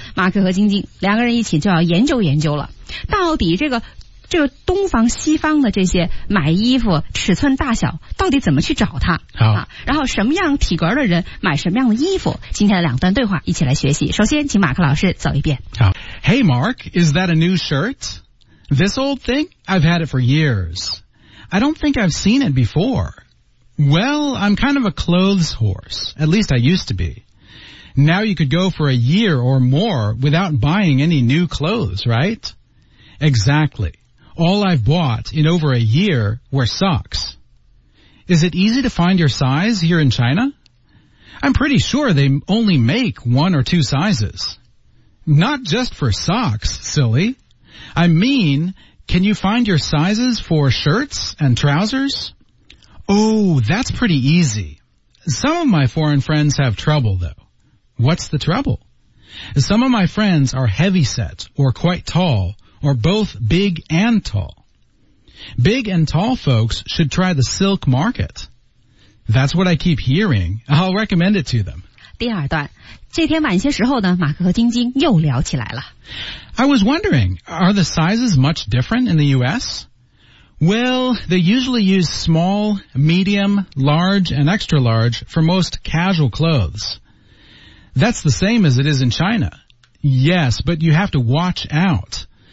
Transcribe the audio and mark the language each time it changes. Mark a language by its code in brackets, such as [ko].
[zh] 马克和晶晶两个人一起就要研究研究了。到底这个东方西方的这些买衣服尺寸大小到底怎么去找它好、然后什么样体格的人买什么样的衣服今天的两段对话一起来学习首先请马克老师走一遍好 [en] Hey Mark, is that a new shirt? This old thing? I've had it for years. I don't think I've seen it before. Well, I'm kind of a clothes horse, at least I used to be. Now you could go for a year or more without buying any new clothes, right? Exactly. All I've bought in over a year were socks. Is it easy to find your size here in China? I'm pretty sure they only make one or two sizes. Not just for socks, silly. I mean, can you find your sizes for shirts and trousers? Oh, that's pretty easy. Some of my foreign friends have trouble, though. What's the trouble? Some of my friends are heavy set or quite tall,or both big and tall. Big and tall folks should try the silk market. That's what I keep hearing. I'll recommend it to them. [zh] 第二段，这天晚些时候呢，马克和晶晶又聊起来了。 [en] I was wondering, are the sizes much different in the U.S.? Well, they usually use small, medium, large, and extra large for most casual clothes. That's the same as it is in China. Yes, but you have to watch out.